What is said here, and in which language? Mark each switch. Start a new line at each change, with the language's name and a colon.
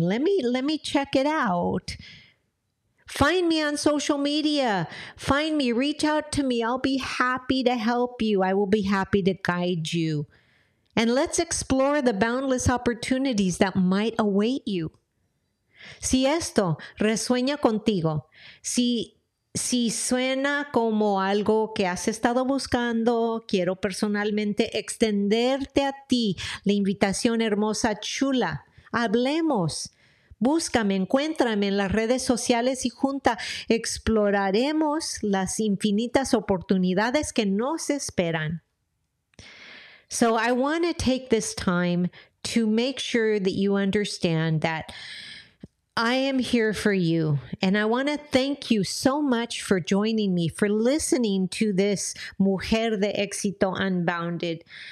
English: Let me check it out. Find me on social media. Find me. Reach out to me. I'll be happy to help you. I will be happy to guide you. And let's explore the boundless opportunities that might await you.
Spanish: Si esto resuena contigo, si suena como algo que has estado buscando, quiero personalmente extenderte a ti la invitación hermosa, chula. Hablemos. Búscame, encuéntrame en las redes sociales y junta exploraremos las infinitas oportunidades que nos esperan.
English: So I want to take this time to make sure that you understand that I am here for you. And I want to thank you so much for joining me, for listening to this Mujer de Éxito Unbounded.